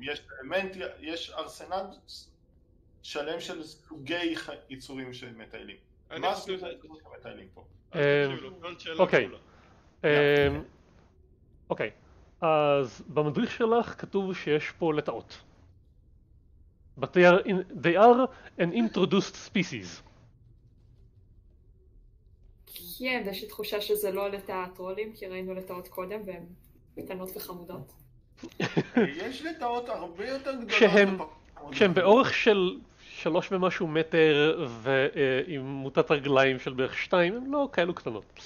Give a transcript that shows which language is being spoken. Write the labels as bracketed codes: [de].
[he] יש אלמנטל, יש ארסנל שלם של סוגי יצורים שמטיילים. מה הסוג יצורים שמטיילים פה? אוקיי, אוקיי, אז במדריך שלך כתוב שיש פה לטאות. [en] But they are an introduced species. [he] כן, יש לי תחושה שזה לא לטאה הטרולים, כי ראינו לטאות קודם והן קטנות וחמודות. יש לטאות הרבה יותר גדולות ופחמודות. כשהן באורך של... שלוש ומשהו מטר ועם מוטת רגליים של בערך שתיים, הם לא כאלו קטנות.